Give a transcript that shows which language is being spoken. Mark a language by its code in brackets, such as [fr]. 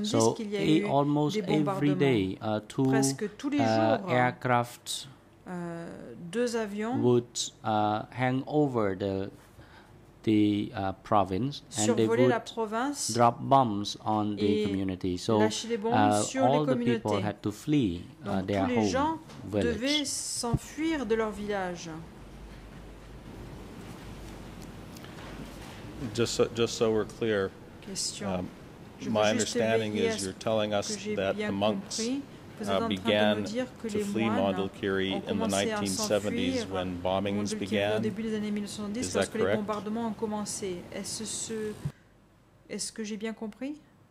[en] So almost every day, two aircraft. [fr] Deux avions [en] would hang over the province, and they would drop bombs on the community. So all the people had to flee their home village. [fr] Donc tous les gens devaient s'enfuir de leur village. [en] Just so we're clear, my understanding is you're telling us that the monks began to flee Mandalkiri in the 1970s when bombings began. Is that correct? [fr] Bombardements ont commencé. Est-ce que j'ai bien compris?